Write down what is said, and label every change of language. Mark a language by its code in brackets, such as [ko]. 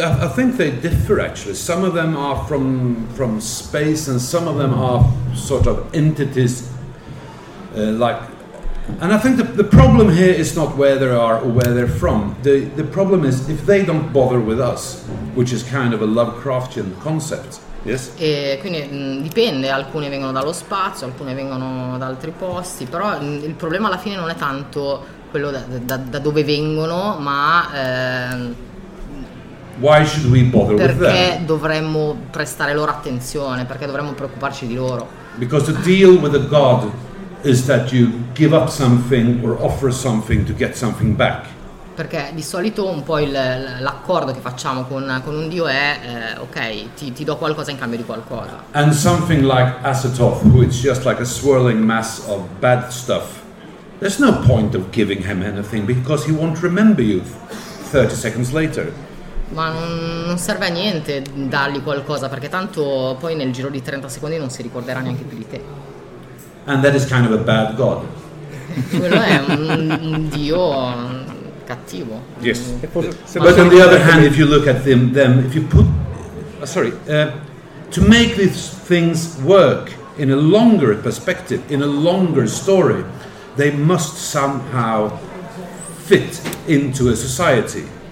[en] I think they differ actually. Some of them are from space, and some of them are sort of entities. And I think the problem here is not where they are or where they're from. The problem is if they don't bother with us, which is kind of a Lovecraftian concept. Yes. [it] E quindi dipende. Alcune vengono dallo spazio, alcune vengono da altri posti. Però il problema alla fine non è tanto quello da dove vengono, ma [en] why should we bother [it] perché [en] with them? [it] Dovremmo prestare loro attenzione, perché dovremmo preoccuparci di loro. [en] Because the deal with a god is that you give up something or offer something to get something back. [it] Perché di solito un po' l'accordo che facciamo con un dio è ok, ti do qualcosa in cambio di qualcosa. [en] And something like Asatoth, who is just like a swirling mass of bad stuff, there's no point of giving him anything because he won't remember you 30 seconds later. [it] Ma non serve a niente dargli qualcosa, perché tanto poi nel giro di 30 secondi non si ricorderà neanche più di te. [en] And that is kind of a bad god. [it] Quello è un dio cattivo. [en] Yes. But on the other hand, if you look at them, if you put, to make these things work in a longer perspective, in a longer story, they must somehow fit into a society.